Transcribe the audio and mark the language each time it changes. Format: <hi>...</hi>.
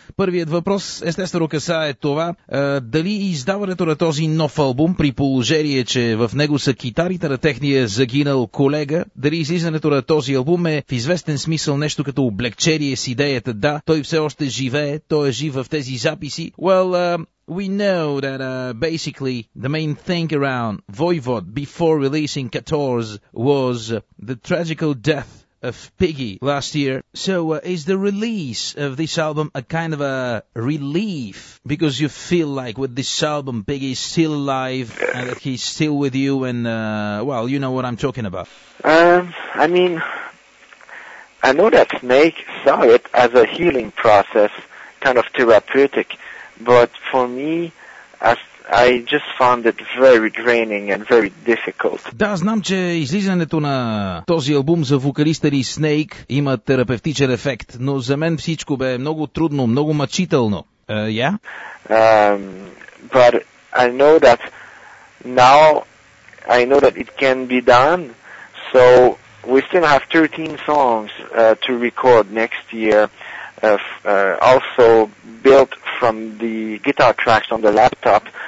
<bg>Първият въпрос, естествено, касае това. Дали издаването на този нов албум, при положение, че в него са китарите на техния загинал колега, дали излизането на този албум е в известен смисъл нещо като облегчение с идеята? Да, той все още живее, той е жив в тези записи.</bg> <en>Well, we know that basically the main thing around Voivod before releasing Kators was the tragical death of Piggy last year. So is the release of this album a kind of a relief, because you feel like with this album Piggy is still alive and that he's still with you, and well, you know what I'm talking about? I mean, I know that Snake saw it as a healing process, kind of therapeutic, but for me, as I just found it very draining and very difficult.</en> <bg>Да, знам, че излизането на този албум за вокалиста ни Snake има терапевтичен ефект, но за мен всичко бе много трудно, много мъчително.</bg> <en>But I know that now I know that it can be done. So we still have 13 songs to record next year. Also built from the guitar tracks on the laptop.</en>